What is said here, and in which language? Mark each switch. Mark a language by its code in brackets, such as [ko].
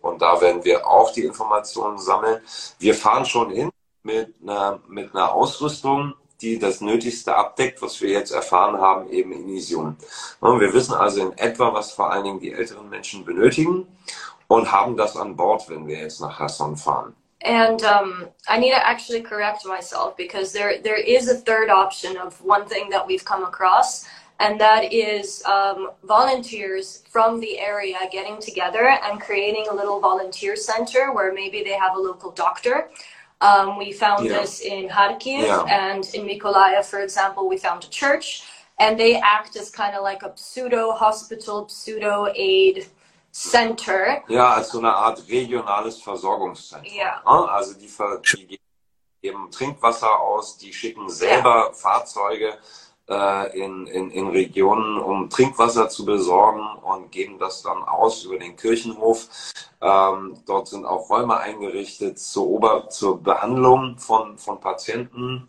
[de] Und da werden wir auch die Informationen sammeln. Wir fahren schon hin mit einer Ausrüstung, die das Nötigste abdeckt, was wir jetzt erfahren haben, eben in Isium. Und wir wissen also in etwa, was vor allen Dingen die älteren Menschen benötigen. Und haben das an Bord, wenn wir jetzt nach Cherson fahren. [en] And I need to actually correct myself, because there is a third option of one thing that we've come across, and that is volunteers from the area getting together and creating a little volunteer center where maybe they have a local doctor. We found this in Kharkiv and in Mykolaiv, for example, we found a church, and they act as kind of like a pseudo-hospital, pseudo-aid Center. [de] Ja, als so eine Art regionales Versorgungszentrum. [en] Yeah. [de] Also die geben Trinkwasser aus, die schicken selber Fahrzeuge in Regionen, um Trinkwasser zu besorgen und geben das dann aus über den Kirchenhof. Dort sind auch Räume eingerichtet zur Behandlung von Patienten.